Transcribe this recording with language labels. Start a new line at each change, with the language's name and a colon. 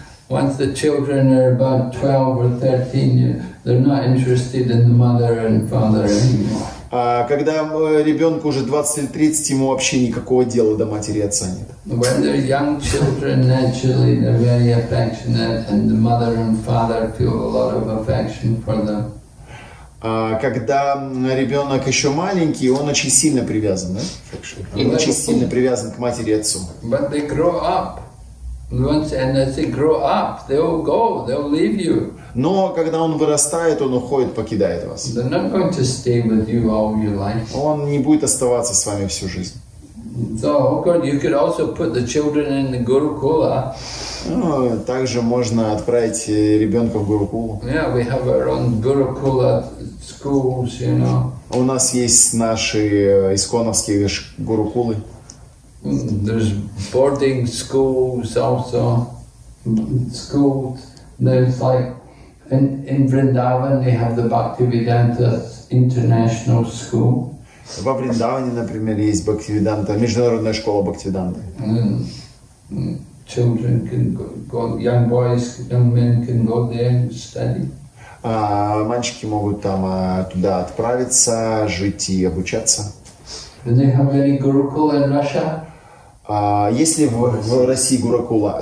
English: Once the children are about 12 or 13 years, they're not interested in the mother and father anymore.
Russian: Когда ребенку уже 20 или 30, ему вообще никакого дела до матери и отца нет.
English: When they're young children, naturally they're very affectionate, and the mother and father feel a lot of affection for them.
Russian: Когда ребенок еще маленький, он очень сильно привязан, да? Он очень сильно привязан к матери и отцу.
English: But they grow up. And as they grow up, they'll go, they'll leave you.
Russian: Но когда он вырастает, он уходит, покидает вас.
English: They're not going to stay with you all your life.
Russian: Он не будет оставаться с вами всю жизнь.
English: So, oh God, you could also put the children in the Gurukula.
Russian: Ну, также можно отправить ребенка в Гурукулу.
English: Yeah, we have our own Gurukula schools, you know.
Russian: У нас есть наши исконовские Гурукулы.
English: There's boarding schools also. Schools. There's like in Vrindavan they have the Bhaktivedanta International School.
Russian: Во Вриндаване, например, есть Бхактивиданта, международная школа Бхактивиданты.
English: Children can go, young boys, young men can go there and study.
Russian: Мальчики могут там туда отправиться, жить и обучаться.
English: Do they have any Gurukula in Russia?
Russian: Есть ли в России Гурукула?